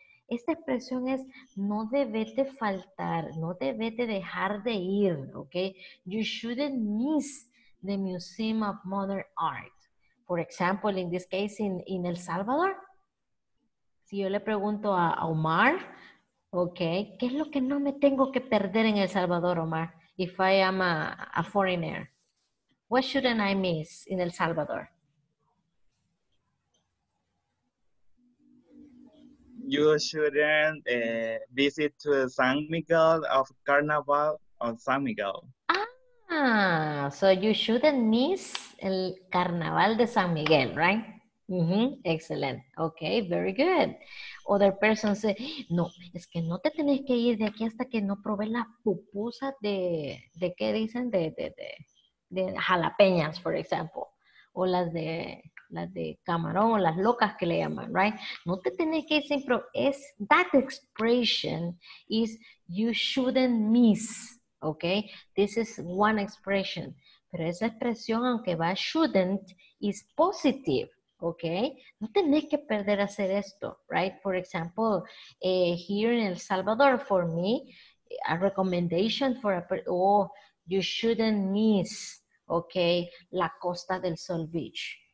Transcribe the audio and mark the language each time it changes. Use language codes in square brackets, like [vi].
[es] Esta expresión es no debes de faltar, no debes de dejar de ir, okay? [en] You shouldn't miss the Museum of Modern Art. For example, in this case, [es] in El Salvador, si yo le pregunto a Omar, okay, ¿qué es lo que no me tengo que perder en El Salvador, Omar, [en] if I am a foreigner? What shouldn't I miss in El Salvador? You shouldn't visit to San Miguel of Carnaval on San Miguel. Ah, so you shouldn't miss el Carnaval de San Miguel, right? Mm-hmm. Excellent. Okay, very good. [es] Other person say, no, es que no te tenés que ir de aquí hasta que no probé las pupusas de ¿qué dicen? De jalapeñas, for example. O las de camarón, o las locas que le llaman, right? No te tenés que ir sin pro. [en] Es, that expression is you shouldn't miss, okay? This is one expression. Pero esa expresión, aunque va shouldn't, is positive, okay? No tenés que perder hacer esto, right? For example, here in El Salvador, for me, a recommendation for a you shouldn't miss, okay, La Costa del Sol Beach.